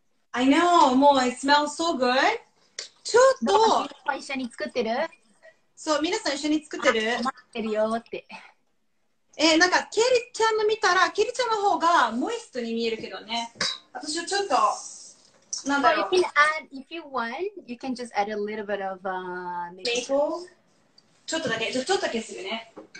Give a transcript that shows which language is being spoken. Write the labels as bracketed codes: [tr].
[en] I know. もう it smells so good. ちょっと。 [ja] 一緒に作ってる？そう、皆さん一緒に作ってる？待ってるよって。なんかケリちゃんの見たら、ケリちゃんの方がモイストに見えるけどね。私はちょっと、なんだろう。 [en] So、if you want, you can just add a little bit of maple. [ja] ちょっとだけ、ちょっとだけするね。